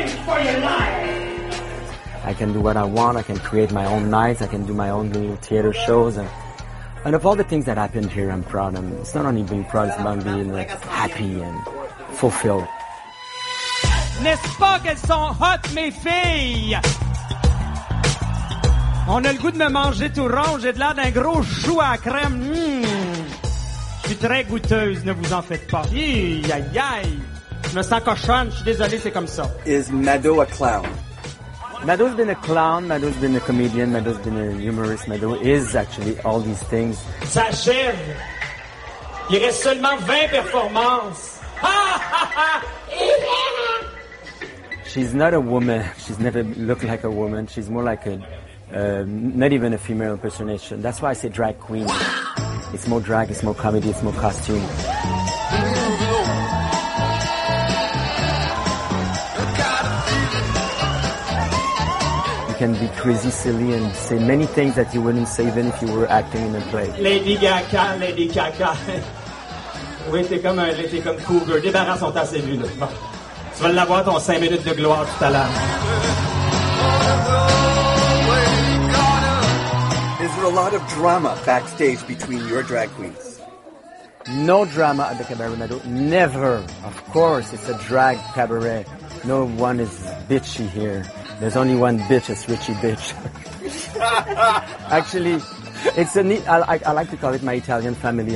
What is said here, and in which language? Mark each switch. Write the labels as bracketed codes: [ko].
[en] I can do what I want, I can create my own nights, I can do my own little theater shows, and of all the things that happened here, I'm proud. And it's not only being proud, it's about being like happy and fulfilled. [fr] N'est-ce pas qu'elles sont hot, mes filles? On a le goût de me manger tout rond, j'ai de l'air d'un gros chou à crème. Je suis très goûteuse, ne vous en faites pas. Aïe, aïe, aïe. Je me sens cochonne, je suis désolé, c'est comme ça. [en] Is Mado a clown? Mado's been a clown, Mado's been a comedian, Mado's been a humorist, Mado is actually all these things. [fr] Ça achève. Il reste seulement 20 performances. [en] She's not a woman. She's never looked like a woman. She's more like a... not even a female impersonation. That's why I say drag queen. It's more drag, it's more comedy, it's more costume. You can be crazy, silly, and say many things that you wouldn't say even if you were acting in a play. [fr] Lady Gaga, Lady Gaga. Oui, t'es comme Cougar. Débarrasse ton tas, c'est lui, là. Tu vas l'avoir ton 5 minutes de gloire tout à l'heure. [en] Is there a lot of drama backstage between your drag queens? No drama at the Cabaret Mado. Never. Of course, it's a drag cabaret. No one is bitchy here. There's only one bitch, it's Richie Bitch. Actually, it's a neat, I like to call it my Italian family.